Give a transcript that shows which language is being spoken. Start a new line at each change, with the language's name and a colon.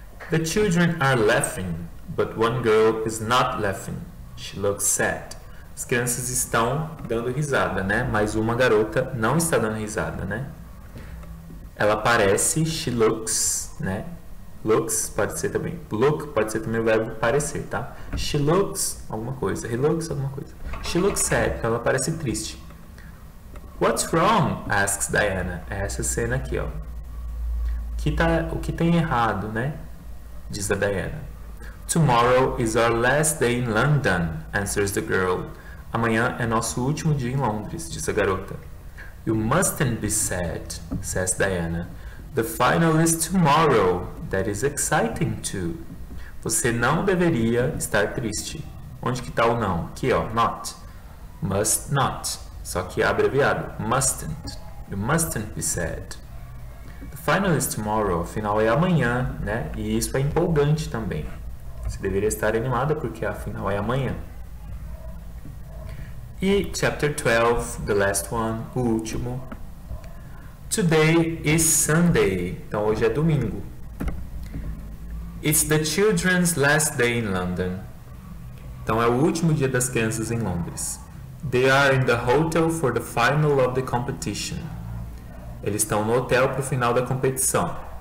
English: The children are laughing, but one girl is not laughing. She looks sad.
Portuguese: As crianças estão dando risada, né? Mas uma garota não está dando risada, né? Ela parece, she looks, né? Looks pode ser também. Look pode ser também o verbo parecer, tá?
English: She looks alguma coisa. He looks alguma coisa. She looks sad.
Portuguese: Ela parece triste.
English: What's wrong? Asks Diana.
Portuguese: É essa cena aqui, ó. O que tem errado, né? Diz a Diana.
English: Tomorrow is our last day in London, answers the girl.
Portuguese: Amanhã é nosso último dia em Londres, diz a garota.
English: You mustn't be sad, says Diana. The final is tomorrow. That is exciting too.
Portuguese: Você não deveria estar triste. Onde que tá o não? Aqui, ó. Not. Must not. Só que abreviado. Mustn't.
English: You mustn't be sad. The final is tomorrow.
Portuguese: O final é amanhã, né? E isso é empolgante também. Você deveria estar animada porque afinal é amanhã. E
English: chapter 12, the last one,
Portuguese: o último.
English: Today is Sunday.
Portuguese: Então hoje é domingo.
English: It's the children's last day in London.
Portuguese: Então é o último dia das crianças em Londres.
English: They are in the hotel for the final of the competition.
Portuguese: Eles estão no hotel para o final da competição.